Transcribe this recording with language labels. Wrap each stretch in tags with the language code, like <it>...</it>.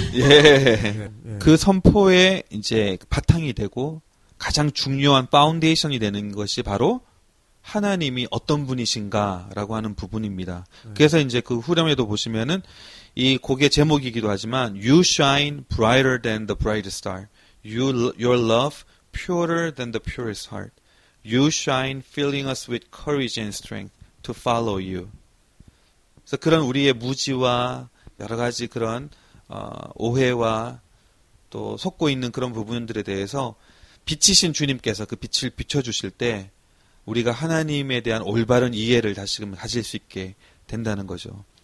<ko>예, 그 선포의 이제 바탕이 되고 가장 중요한 파운데이션이 되는 것이 바로 하나님이 어떤 분이신가라고 하는 부분입니다. 그래서 이제 그 후렴에도 보시면은 이 곡의 제목이기도 하지만</ko> <en>You shine brighter than the brightest star. Your love purer than the purest heart. You shine filling us with courage and strength to follow you.</en> <ko>그래서 그런 우리의 무지와 여러 가지 그런 오해와 또 속고 있는 그런 부분들에 대해서 비치신 주님께서 그 빛을 비춰주실 때 우리가 하나님에 대한 올바른 이해를 다시금 가질 수 있게 된다는 거죠.</ko>